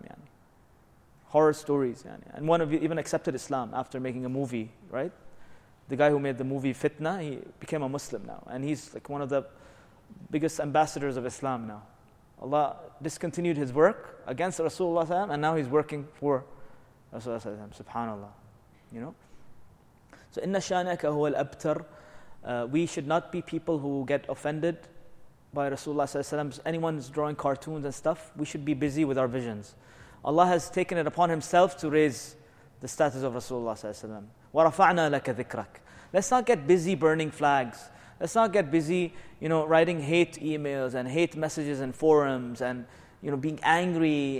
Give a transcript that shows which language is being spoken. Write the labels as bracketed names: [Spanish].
[English] Yani, horror stories. Yani, and one of you even accepted Islam after making a movie, right? The guy who made the movie Fitna, he became a Muslim now, and he's like one of the biggest ambassadors of Islam now. Allah discontinued his work against Rasulullah SAW, and now he's working for Rasulullah SAW. Subhanallah. You know? [Arabic] So, إِنَّ شَانَكَ هُوَ الْأَبْتَرِ. [English] We should not be people who get offended by Rasulullah SAW. Anyone's drawing cartoons and stuff, we should be busy with our visions. Allah has taken it upon himself to raise the status of Rasulullah SAW. [Arabic] وَرَفَعْنَا لَكَ ذِكْرَكَ. [English] Let's not get busy burning flags. Let's not get busy, you know, writing hate emails and hate messages in forums and, you know, being angry.